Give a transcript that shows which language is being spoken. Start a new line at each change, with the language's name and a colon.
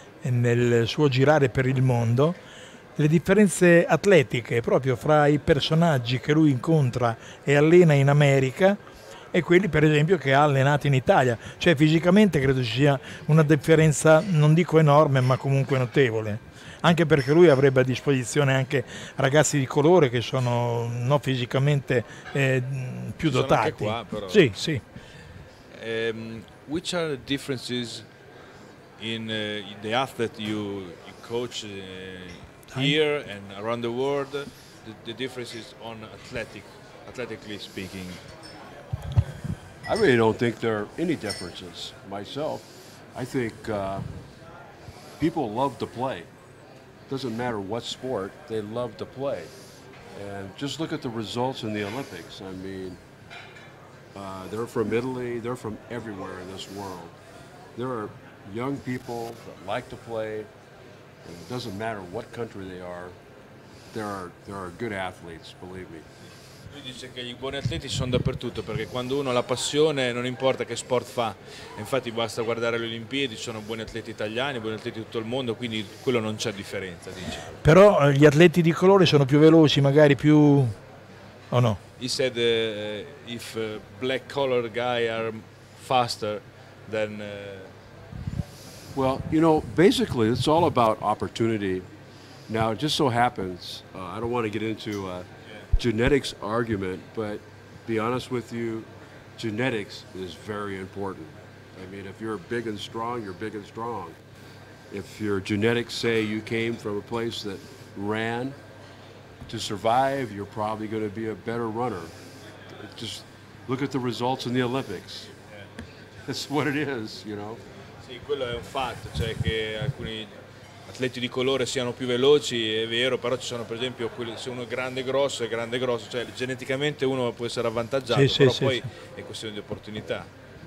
Italian: nel suo girare per il mondo, le differenze atletiche proprio fra i personaggi che lui incontra e allena in America e quelli per esempio che ha allenato in Italia. Cioè fisicamente credo ci sia una differenza, non dico enorme, ma comunque notevole. Anche perché lui avrebbe a disposizione anche ragazzi di colore che sono non fisicamente più dotati. Sono anche qua, però. Sì, sì.
English: Which are the differences in the athlete you coach here and around the world, the differences on athletically speaking? I really don't think there are any differences myself. I think people love to play. Doesn't matter what sport, they love to play. And just look at the results in the Olympics. I mean, they're from Italy, they're from everywhere in this world. There are young people that like to play, and it doesn't matter what country they are, there are good athletes, believe me.
Italian: Lui dice che i buoni atleti sono dappertutto, perché quando uno ha la passione non importa che sport fa. Infatti basta guardare le Olimpiadi, ci sono buoni atleti italiani, buoni atleti di tutto il mondo, quindi quello non c'è differenza, dice. Però gli atleti di colore sono più veloci, magari più o no?
English: He said if black color guy are faster than well, you know, basically it's all about opportunity. Now it just so happens, I don't want to get into genetics argument, but be honest with you, genetics is very important. I mean, if you're big and strong, you're big and strong. If your genetics say you came from a place that ran to survive, you're probably going to be a better runner. Just look at the results in the Olympics. That's what it is, you know.
Italian: Sì, quello è un fatto, cioè che alcuni atleti di colore siano più veloci, è vero, però ci sono per esempio quelli, se uno è grande grosso, cioè geneticamente uno può essere avvantaggiato, sì, però sì, poi sì. È questione di opportunità.